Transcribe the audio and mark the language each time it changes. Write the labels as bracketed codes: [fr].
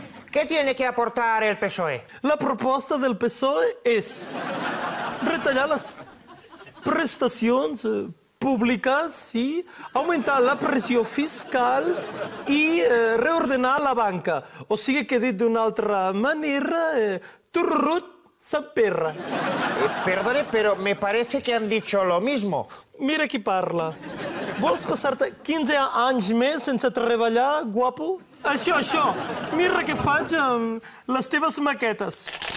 [es] ¿Qué tiene que aportar el PSOE? La propuesta del PSOE es retallar las prestaciones públicas y aumentar la presión fiscal y reordenar la banca. [ca] O sigue que dit d'una altra manera, turrut sant perra. [es] Perdone, pero me parece que han dicho lo mismo. [ca] Mira qui parla. Vols passar-te 15 anys més sense treballar, guapo? Això, això. Mira què faig amb les teves maquetes.